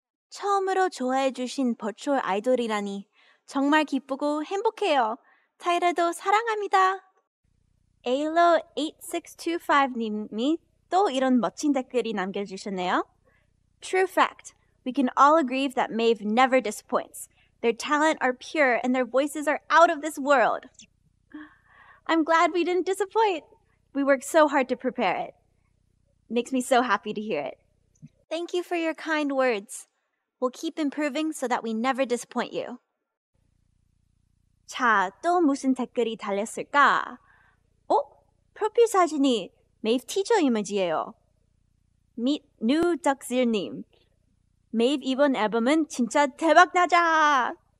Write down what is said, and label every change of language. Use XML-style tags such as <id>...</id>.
<ko>처음으로 좋아해 주신 버추얼 아이돌이라니 정말 기쁘고 행복해요. 타이라도 사랑합니다. Alo8625님이 또 이런 멋진 댓글이 남겨주셨네요.</ko> <en>True fact. We can all agree that MAVE never disappoints. Their talent are pure and their voices are out of this world. I'm glad we didn't disappoint. We worked so hard to prepare it. Makes me so happy to hear it. Thank you for your kind words. We'll keep improving so that we never disappoint you.</en> <ko>자, 또 무슨 댓글이 달렸을까? 어? 프로필 사진이 MAVE 티저 이미지예요.</ko> <en>Meet new</en> <ko>덕질님. MAVE 이번 앨범은 진짜 대박나자!</ko>